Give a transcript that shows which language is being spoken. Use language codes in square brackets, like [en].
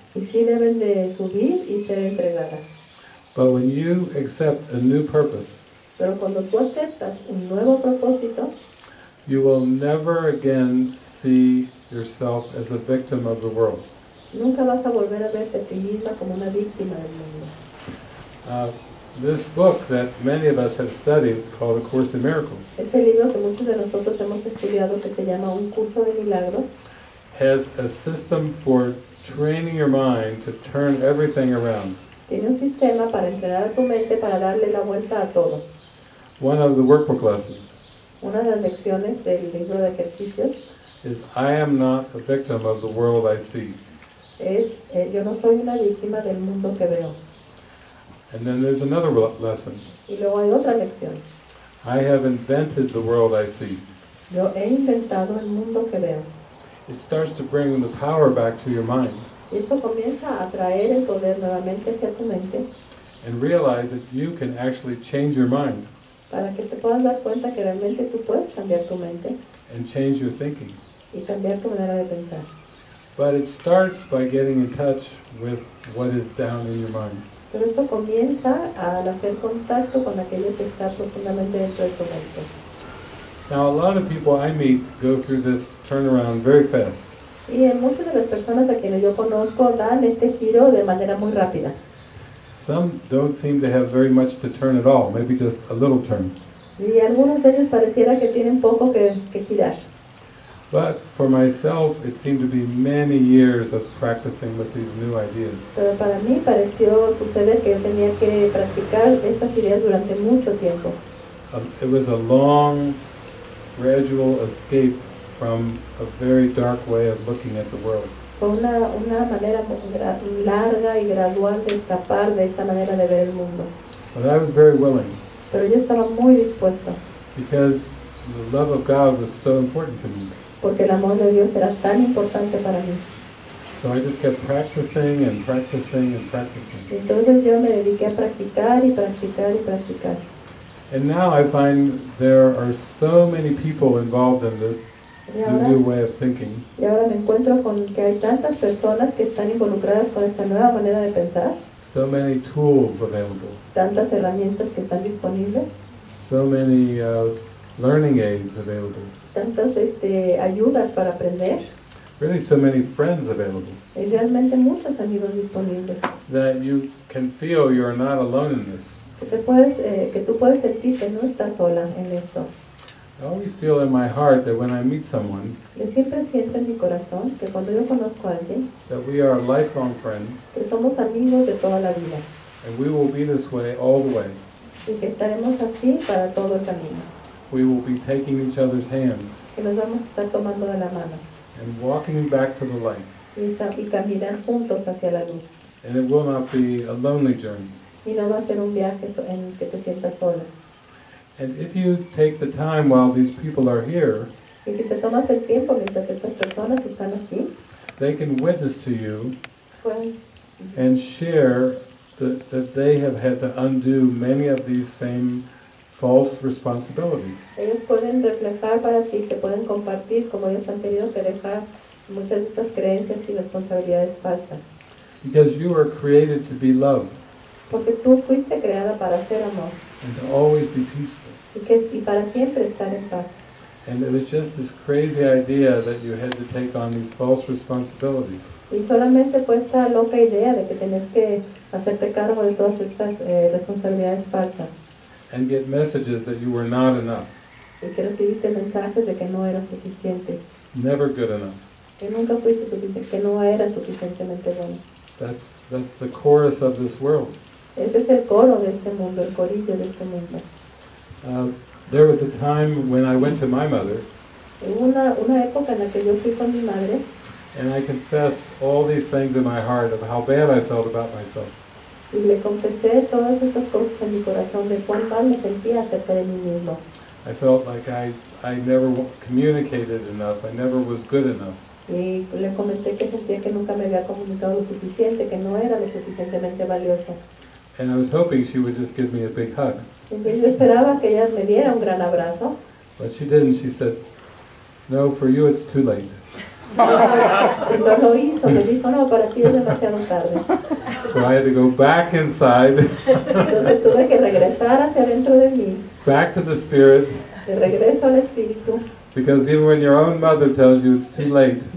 [es] Y sí deben de subir y ser entregadas. [en] But when you accept a new purpose, [es] pero cuando tú aceptas un nuevo propósito, [en] you will never again see yourself as a victim of the world. [es] Nunca vas a volver a verte a ti misma como una víctima del mundo. [en] This book that many of us have studied called A Course in Miracles. [es] Este libro que muchos de nosotros hemos estudiado que se llama Un Curso de Milagros. [en] Has a system for training your mind to turn everything around. [es] Tiene un sistema para entrenar a tu mente para darle la vuelta a todo. [en] One of the workbook lessons. [es] Una de las lecciones del libro de ejercicios. [en] Is I am not a victim of the world I see. [es] Es yo no soy una víctima del mundo que veo. [en] And then there's another lesson. [es] Y luego hay otra lección. [en] I have invented the world I see. [es] Yo he inventado el mundo que veo. [en] It starts to bring the power back to your mind. [es] Y esto comienza a traer el poder nuevamente hacia tu mente. [en] And realize that you can actually change your mind. [es] para que te puedas dar cuenta que realmente tú puedes cambiar tu mente [en] and change your thinking. [es] Y cambiar tu manera de pensar. [en] But it starts by getting in touch with what is down in your mind. [es] Pero esto comienza al hacer contacto con aquello que está profundamente dentro de tu mente. [en] Now a lot of people I meet go through this turnaround very fast. [es] Y en muchas de las personas a quienes yo conozco dan este giro de manera muy rápida. [en] Some don't seem to have very much to turn at all, maybe just a little turn. [es] Y algunos de ellos pareciera que tienen poco que girar. [en] But for myself, it seemed to be many years of practicing with these new ideas. [es] Pero para mí pareció suceder que yo tenía que practicar estas ideas durante mucho tiempo. [en] It was a long, gradual escape from a very dark way of looking at the world. [es] Fue una manera larga y gradual de escapar de esta manera de ver el mundo. [en] But I was very willing. [es] Pero yo estaba muy dispuesto. [en] Because the love of God was so important to me. [es] Porque el amor de Dios era tan importante para mí. [en] So I just kept practicing and practicing and practicing. [es] Entonces yo me dediqué a practicar y practicar y practicar. [en] And now I find there are so many people involved in this new way of thinking. [es] Y ahora me encuentro con que hay tantas personas que están involucradas con esta nueva manera de pensar. [en] So many tools available. [es] Tantas herramientas que están disponibles. [en] So many learning aids available. [es] Tantas ayudas para aprender. [en] Really, so many friends available. [es] Y realmente muchos amigos disponibles. [en] That you can feel you are not alone in this. [es] Que tú puedes sentir que no estás sola en esto. [en] I always feel in my heart that when I meet someone. [es] Yo siempre siento en mi corazón que cuando yo conozco a alguien. [en] That we are lifelong friends. [es] Que somos amigos de toda la vida. [en] And we will be this way all the way. [es] Y que estaremos así para todo el camino. [en] We will be taking each other's hands. [es] Que nos vamos a estar tomando de la mano. [en] And walking back to the light. [es] Y caminar juntos hacia la luz. [en] And it will not be a lonely journey. [es] Y no va a ser un viaje en que te sientas sola. [en] And if you take the time while these people are here. [es] Y si te tomas el tiempo mientras estas personas están aquí. [en] They can witness to you. [es] Pueden. [en] And share that they have had to undo many of these same false responsibilities. [es] Ellos pueden reflejar para ti, te pueden compartir como ellos han tenido que dejar muchas de estas creencias y responsabilidades falsas. [en] Because you were created to be love. [es] Porque tú fuiste creada para ser amor. [en] And to always be peaceful. [es] Y para siempre estar en paz. [en] And it was just this crazy idea that you had to take on these false responsibilities. [es] Y solamente fue esta loca idea de que tenías que hacerte cargo de todas estas responsabilidades falsas. [en] And get messages that you were not enough. [es] Y que recibiste mensajes de que no eras suficiente. [en] Never good enough. [es] Que nunca fuiste suficiente, que no eras suficientemente bueno. [en] That's the chorus of this world. [es] Ese es el coro de este mundo, el corillo de este mundo. [en] There was a time when I went to my mother. [es] Una época en la que yo fui con mi madre. [en] And I confessed all these things in my heart of how bad I felt about myself. [es] Y le confesé todas estas cosas en mi corazón de cuán mal me sentía acerca de mí mismo. [en] I felt like I never communicated enough. I never was good enough. [es] Y le comenté que sentía que nunca me había comunicado lo suficiente, que no era lo suficientemente valioso. [en] And I was hoping she would just give me a big hug. [es] Y yo esperaba que ella me diera un gran abrazo. [en] But she didn't. She said, "No, for you it's too late." [es] No lo hizo, me dijo, no, para ti es demasiado tarde. [en] So I had to go back inside. [es] Entonces tuve que regresar hacia dentro de mí. [en] Back to the spirit. [es] De regreso al espíritu. [en] Because even when your own mother tells you it's too late.